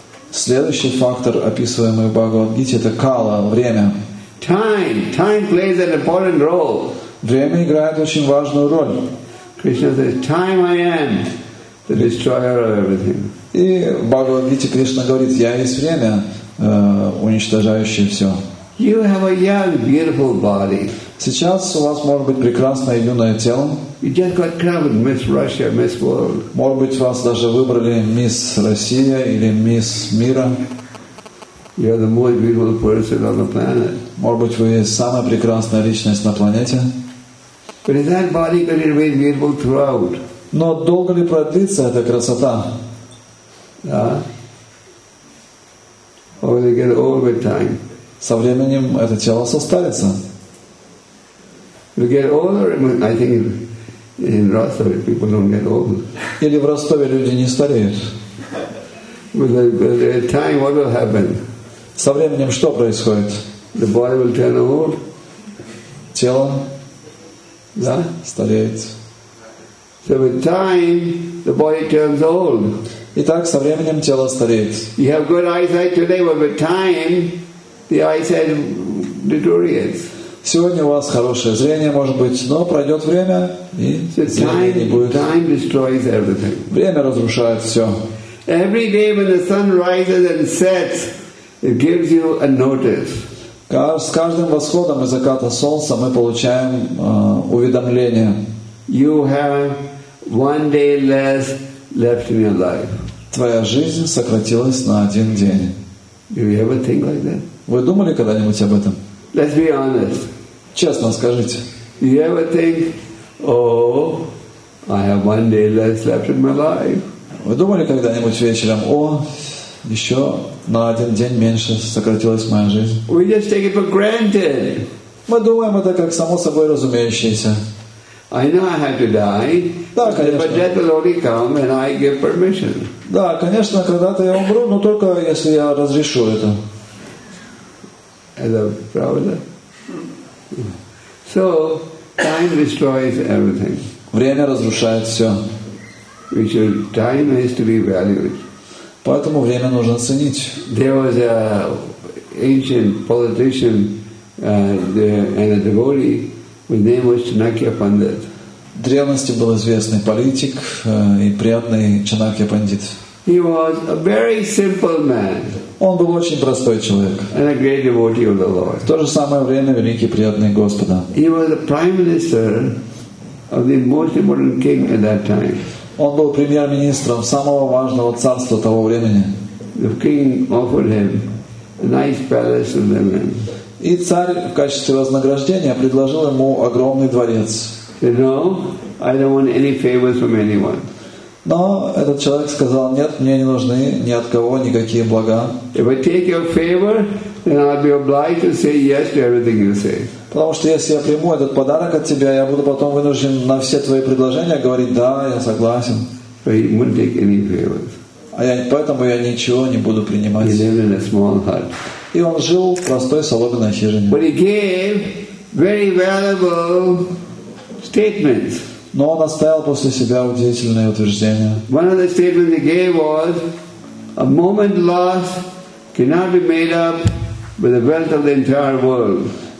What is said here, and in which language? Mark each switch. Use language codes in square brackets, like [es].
[ru] Следующий фактор, описываемый в Бхагавад-гите, это кала, время. [en] Time plays an important role. [ru] Время играет очень важную роль. [en] Krishna says, "Time I am, the destroyer of everything." [ru] И в Бхагавад-гите Кришна говорит, я есть время, уничтожающее все. [en] You have a young, beautiful body. [ru] Сейчас у вас может быть прекрасное юное тело. [en] You just got crowned Miss Russia, Miss World. [ru] Может быть, вас даже выбрали Мисс Россия или Мисс Мира. [en] You're the most beautiful person on the planet. [ru] Может быть, вы самая прекрасная личность на планете. [en] But is that body going to remain beautiful throughout? [ru] Но долго ли продлится эта красота? Да. [en] Or will it get old with time? [ru] Со временем это тело состарится. [en] We get older, I think in Rostov people don't get old. [ru] Или в Ростове люди не стареют. [en] With time, what will happen? [ru] Со временем что происходит? [en] The body will turn old. [ru] Тело, да, стареет. [en] So with time, the body turns old. [ru] Итак, со временем тело стареет. [en] You have good eyesight today, but with time, the eyesight deteriorates. [ru] Сегодня у вас хорошее зрение, может быть, но пройдет время, и зрения не будет. [en] Time destroys everything. [ru] Время разрушает все. [en] Every day when the sun rises and sets, it gives you a notice. [ru] С каждым восходом и закатом солнца мы получаем уведомление. [en] You have one day less left in your life. [ru] Твоя жизнь сократилась на один день. [en] Do you ever think like that? [ru] Вы думали когда-нибудь об этом? [en] Let's be honest. [ru] Честно скажите. [en] You ever think, I have one day less left in my life? [ru] Вы думали когда-нибудь вечером, еще на один день меньше сократилась моя жизнь? [en] We just take it for granted. [ru] Мы думаем это как само собой разумеющееся. [en] I know I have to die. [ru] Да, конечно. [en] But death will only come when I give permission. [ru] Да, конечно, когда-то я умру, но только если я разрешу это. Это правда? [en] So time destroys everything. [ru] Время разрушает все. [en] We should, time is to be valued. [ru] Поэтому время нужно ценить. [en] There was an ancient politician and a devotee whose name was Chanakya Pandit. [ru] В древности был известный политик и преданный Чанакья Пандит. [en] He was a very simple man. [ru] Он был очень простой человек. [en] And a great devotee of the Lord. [ru] В то же самое время великий преданный Господа. [en] He was the prime minister of the most important king at that time. [ru] Он был премьер-министром самого важного царства того времени. [en] The king offered him a nice palace in the land. [ru] И царь в качестве вознаграждения предложил ему огромный дворец. [en] No, I don't want any favors from anyone. [ru] Но этот человек сказал, нет, мне не нужны ни от кого никакие блага. [en] If I take your favor, then I'll be obliged to say yes to everything you say. [ru] Потому что если я приму этот подарок от тебя, я буду потом вынужден на все твои предложения говорить, да, я согласен. [en] But he won't take any favors. [ru] Поэтому я ничего не буду принимать. [en] He lived in a small hut. [ru] И он жил в простой соломенной хижине. [en] But he gave very valuable statements. [ru] Но он оставил после себя удивительное утверждение. [en] One of the statements he gave was, a moment lost cannot be made up with the wealth of the entire world.